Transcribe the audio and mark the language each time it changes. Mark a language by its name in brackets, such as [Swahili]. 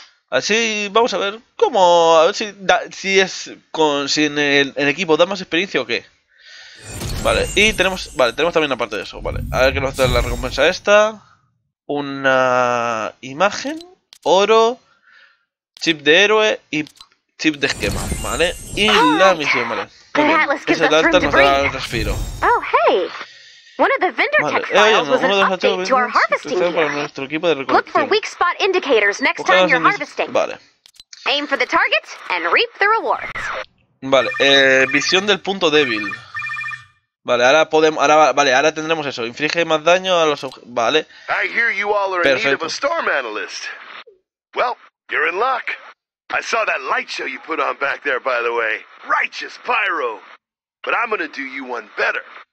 [Spanish] Así vamos a ver cómo, a ver si da, si es con si en el equipo da más experiencia o qué. Vale, y tenemos, vale, tenemos también aparte de eso, vale. A ver qué nos da la recompensa esta. Una imagen, oro, chip de héroe y chip de esquema, ¿vale? Y la misión, vale. Ese Atlas nos da el respiro. [English] Oh, hey. One of the vendor tech files was an update to our harvesting gear. [Spanish] Nuestro equipo de recolección. [English] Look for weak spot indicators next time you're harvesting. [Spanish] Vale. [English] Aim for the targets and reap the rewards. [Spanish] Vale, visión del punto débil. Vale, ahora podemos, ahora vale, ahora tendremos eso. Inflige más daño a los vale. [English] I hear you all are [Spanish] perfecto. [English] In need of a storm analyst. Well, you're in luck. I saw that light show you put on back there, by the way. Righteous pyro. But I'm gonna do you one better.